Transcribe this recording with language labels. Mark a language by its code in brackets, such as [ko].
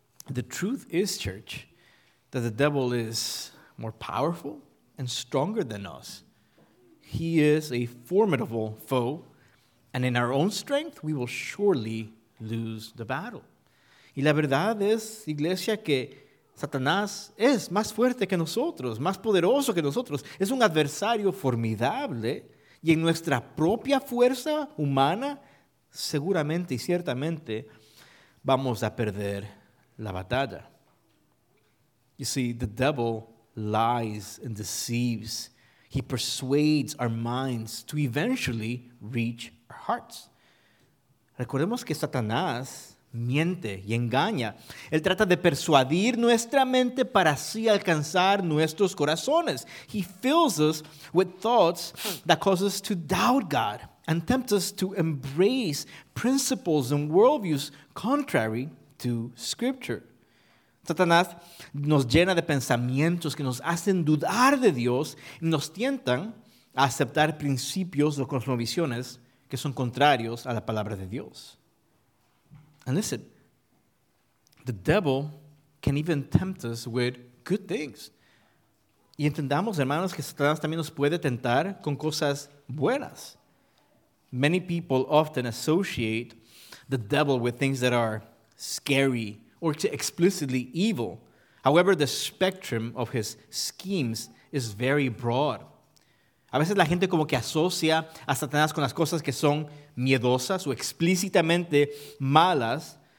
[en] The truth is, church, that the devil is more powerful and stronger than us. He is a formidable foe, and in our own strength, we will surely lose the battle. [es] Y la verdad es, iglesia, que Satanás es más fuerte que nosotros, más poderoso que nosotros. Es un adversario formidable, y en nuestra propia fuerza humana, seguramente y ciertamente, vamos a perder la batalla. [en] You see, the devil lies and deceives. He persuades our minds to eventually reach our hearts. [es] Recordemos que Satanás miente y engaña. Él trata de persuadir nuestra mente para así alcanzar nuestros corazones. [en] He fills us with thoughts that cause us to doubt God and tempt us to embrace principles and worldviews contrary to Scripture. [es] Satanás nos llena de pensamientos que nos hacen dudar de Dios y nos tientan a aceptar principios o cosmovisiones que son contrarios a la palabra de Dios. [en] And listen, the devil can even tempt us with good things. [es] Y entendamos, hermanos, que Satanás también nos puede tentar con cosas buenas. [en] Many people often associate the devil with things that are scary or to explicitly evil. However, the spectrum of his schemes is very broad. [es] A veces la gente como que asocia a Satanás con las cosas que son miedosas o explícitamente malas.